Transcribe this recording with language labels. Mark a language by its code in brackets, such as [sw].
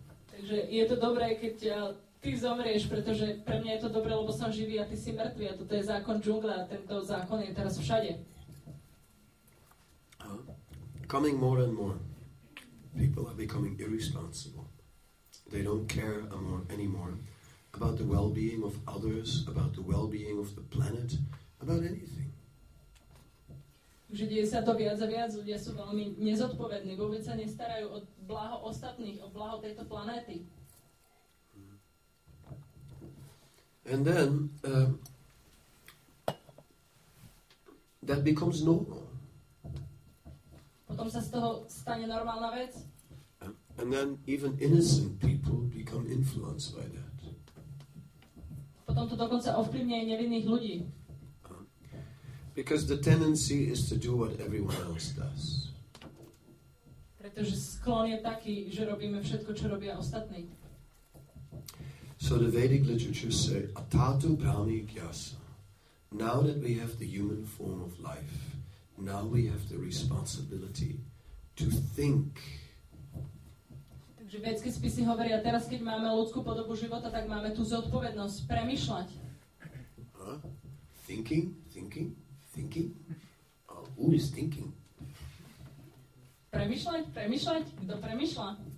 [sk] Takže je to dobré, keď ty zomrieš, pretože pre mňa je to dobré, lebo som živý a ty si mŕtvy a toto je zákon džungle a tento zákon je teraz všade. [en] Coming more and more, people are becoming irresponsible. They don't care anymore about the well-being of others, about the well-being of the planet, about anything. [sk] Takže deje sa to viac a viac, ľudia sú veľmi nezodpovední, vôbec sa nestarajú o blaho ostatných, o blaho tejto planéty. [en] And then that becomes normal. [sk] Potom sa z toho stane normálna vec. [en] And then even innocent people become influenced by that. [sk] Potom to dokonca ovplyvňuje nevinných ľudí. [en] Because the tendency is to do what everyone else does. [sk] Pretože sklon je taký, že robíme všetko, čo robia ostatní. [en] So the Vedic literature say, [sa] Atatu Brahmi Gyasa. [en] Now that we have the human form of life, now we have the responsibility to think. [sk] Takže vedské spisy hovoria, teraz keď máme ľudskú podobu života, tak máme tú zodpovednosť premýšľať. [en] Thinking? Who is thinking? [sk] Premýšľať? Kto premýšľa?